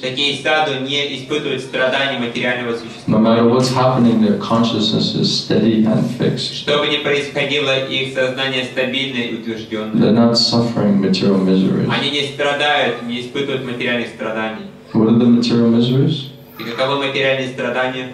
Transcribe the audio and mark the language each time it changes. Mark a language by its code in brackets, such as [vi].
[ru] Такие саду не испытывают страданий материального существа. [en] No matter what's happening, their consciousness is steady and fixed. [ru] Что бы ни происходило, их сознание стабильно и утвержденное. [en] They're not suffering material miseries. [ru] Они не страдают, не испытывают материальных страданий. [en] What are the material miseries? [ru] И каковы материальные страдания?